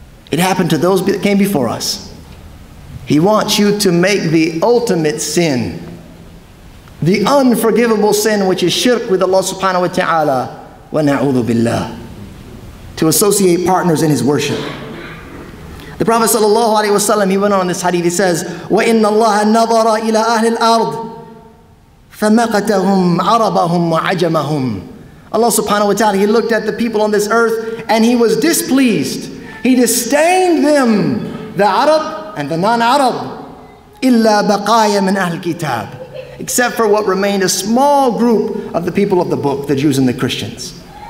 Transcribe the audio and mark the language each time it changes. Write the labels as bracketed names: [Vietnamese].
[English] It happened to those that came before us. He wants you to make the ultimate sin, the unforgivable sin, which is shirk with Allah subhanahu wa ta'ala, [Arabic] wa na'udhu billah, [English] to associate partners in his worship. The Prophet sallallahu alaihi wasallam, he went on this hadith. He says, [Arabic] وَإِنَّ اللَّهَ نَظَرَ إِلَىٰ أَهْلِ الْأَرْضِ فَمَقَتَهُمْ عَرَبَهُمْ وَعَجَمَهُمْ. [English] Allah subhanahu wa ta'ala, he looked at the people on this earth and he was displeased. He disdained them, the Arab and the non-Arab. [Arabic] إِلَّا بَقَايَ مِنْ أَهْلِ الْكِتَابِ. [English] Except for what remained, a small group of the people of the book, the Jews and the Christians.